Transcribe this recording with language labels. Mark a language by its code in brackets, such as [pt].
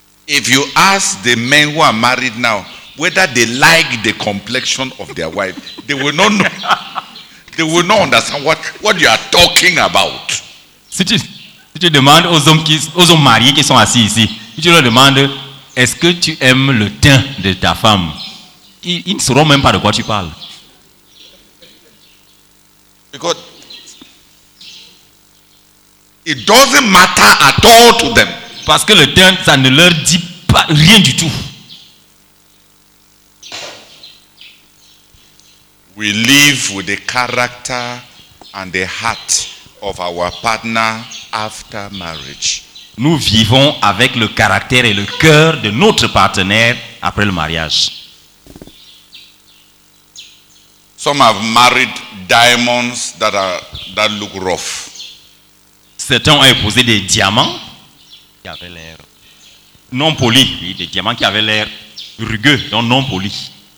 [en] If you ask the men who are married now whether they like the complexion of their wife, they will not know. They will not understand what you are talking about. [fr] Si tu demandes aux hommes aux hommes mariés qui sont assis ici, si tu leur demandes est-ce que tu aimes le teint de ta femme, ils ne sauront même pas de quoi tu parles. [en] Because it doesn't matter at all to them. [fr] Parce que le teint, ça ne leur dit pas rien du tout. [en] We live with the character and the heart of our partner after marriage. [fr] Nous vivons avec le caractère et le cœur de notre partenaire après le mariage. [en] Some have married diamonds that look rough. [fr] Certains ont épousé des diamants qui avaient l'air non polis, oui, des diamants qui avaient l'air rugueux, donc non polis.